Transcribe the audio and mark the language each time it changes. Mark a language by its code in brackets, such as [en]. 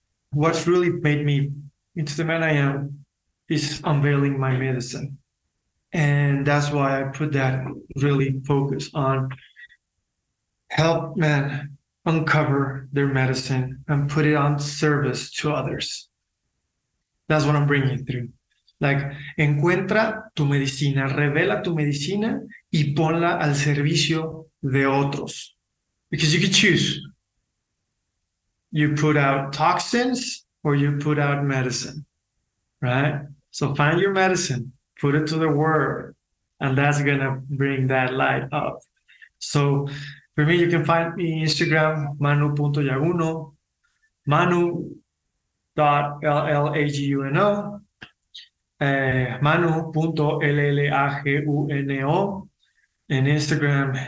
[en] What's really made me into the man I am is unveiling my medicine. And that's why I put that really focus on help men uncover their medicine and put it on service to others. That's what I'm bringing through. [es] Like, encuentra tu medicina, revela tu medicina y ponla al servicio de otros. [en] Because you can choose. You put out toxins or you put out medicine, right? So find your medicine, put it to the word, and that's gonna bring that light up. So for me, you can find me on Instagram, manu.llaguno, manu.llaguno, manu.llaguno in Instagram.